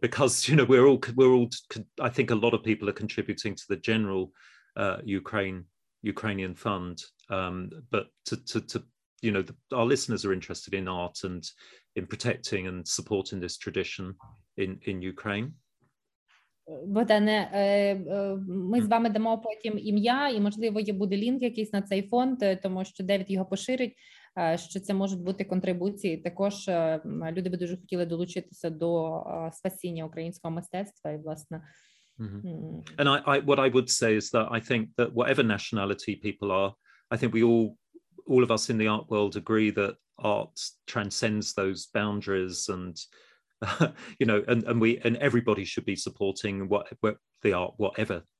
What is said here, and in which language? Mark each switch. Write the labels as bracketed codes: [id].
[en] Because, you know, we're all, I think a lot of people are contributing to the general Ukrainian fund. But to you know, our listeners are interested in art and in protecting and supporting this tradition in Ukraine. [uk] Богдане, ми з вами дамо потім ім'я, і, можливо, буде лінк якийсь на цей фонд, тому що Девід його поширить, що це можуть бути контрибуції. Також люди би дуже хотіли долучитися до спасіння українського мистецтва і, власне. [en] And I what I would say is that I think that whatever nationality people are, I think we all of us in the art world agree that art transcends those boundaries, and you know, and everybody should be supporting what the art, whatever